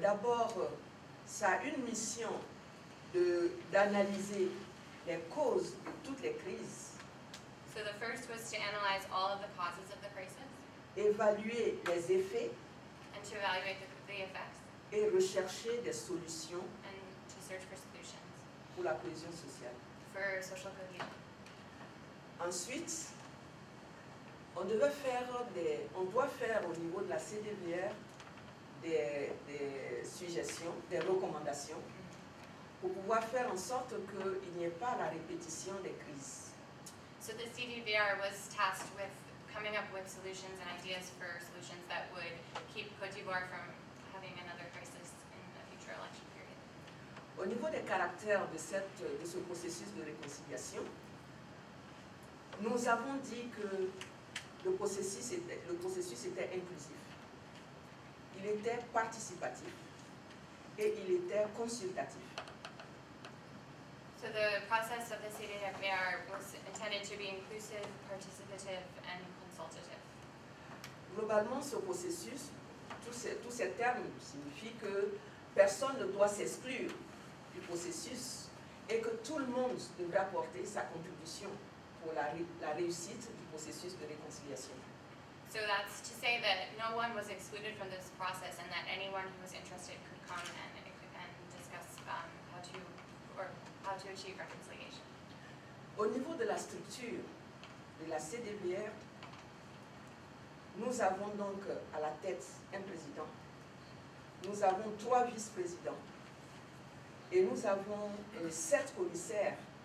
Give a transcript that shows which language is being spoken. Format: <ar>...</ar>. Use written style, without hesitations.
<fr>D'abord, ça a une mission d'analyser les causes de toutes les crises.</fr> <en>So the first was to analyze all of the causes of the crisis.</en> <fr>Évaluer les effets.</fr> <en>And to evaluate the effects.</en> <fr>Et rechercher des solutions.</fr> <en>And to search for solutions.</en> <fr>Pour la cohésion sociale.</fr> <en>For social cohesion.</en> <fr>Ensuite, on doit faire au niveau de la CDVR des suggestions, des recommandations, pour pouvoir faire en sorte qu'il n'y ait pas la répétition des crises.</fr> <en>So the CDVR was tasked with coming up with solutions and ideas for solutions that would keep Côte d'Ivoire from having another crisis in the future election period.</en> <fr>Au niveau des caractères de ce processus de réconciliation, nous avons dit que Le processus était inclusif, il était participatif et il était consultatif.</fr> <en>So the process of the CDFR was intended to be inclusive, participative and consultative.</en> <fr>Globalement, ce processus, tous ces termes signifient que personne ne doit s'exclure du processus et que tout le monde devrait apporter sa contribution pour la réussite du processus de réconciliation.</fr> <en>So that's to say that no one was excluded from this process and that anyone who was interested could come and discuss how to achieve reconciliation.</en> <fr>Au niveau de la structure de la CDVR, nous avons donc à la tête un président. Nous avons trois vice-présidents. Et nous avons sept commissaires.</fr>